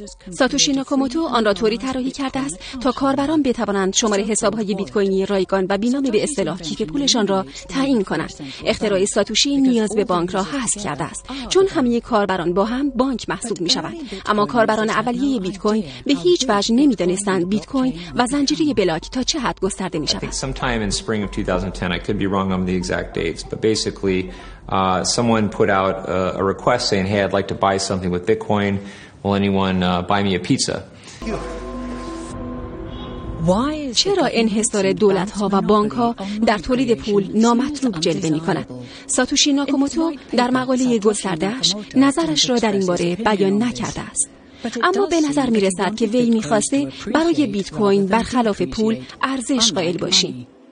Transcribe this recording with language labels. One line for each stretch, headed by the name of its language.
Persian: ساتوشی ناکاموتو آن را طوری طراحی کرده است تا کاربران بتوانند شماره حساب‌های بیت کوینی رایگان و بی‌نام به اصطلاح کیف پولشان را تعیین کنند. اختراع ساتوشی نیاز به بانک را حذف کرده است، چون همه کاربران با هم بانک محسوب می شوند. اما کاربران اولیه بیت کوین به هیچ وجه نمی دانستند بیت کوین و زنجیره بلاک تا چه حد گسترده می شود.
English: Sometime in spring of 2010, I could be wrong on the exact dates, but basically someone put out a request saying, "Hey, I'd like to buy something with Bitcoin. Will anyone buy me a pizza?"
Persian: چرا انحصار دولت‌ها و بانک‌ها در تولید پول نامطلوب جلوه می‌کند؟ ساتوشی ناکاموتو در مقاله گسترده‌اش نظرش را در این باره بیان نکرده است. اما به نظر می‌رسد که وی می‌خواسته برای بیت کوین برخلاف پول ارزش قائل باشیم.